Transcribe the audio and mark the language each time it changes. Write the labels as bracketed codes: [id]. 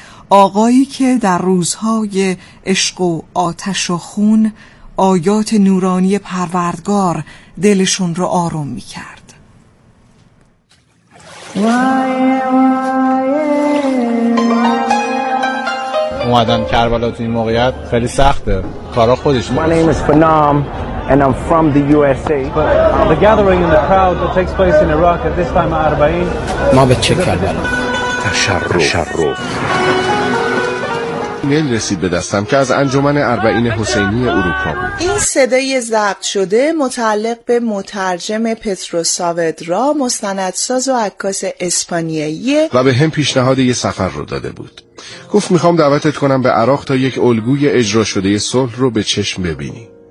[fa] آقایی که در روزهای عشق و آتش و خون آیات نورانی پروردگار دلشون رو آروم میکرد. اومدن کربلا تو این موقعیت خیلی سخته، کارا خودش نیست. [en] My name is Phenom and I'm from the USA. The gathering in the crowd that takes place in Iraq at this time Arbaeen. [fa] ما به چه کربلا؟ تشرف. ایمیل رسید به دستم که از انجمن اربعین حسینی اروپا بود. این صدای ضبط شده متعلق به مترجم پترو ساودرا، مستندساز و عکاس اسپانیایی، و به هم پیشنهاد یه سفر رو داده بود. گفت میخوام دعوتت کنم به عراق تا یک الگوی اجرا شده صلح رو به چشم ببینی.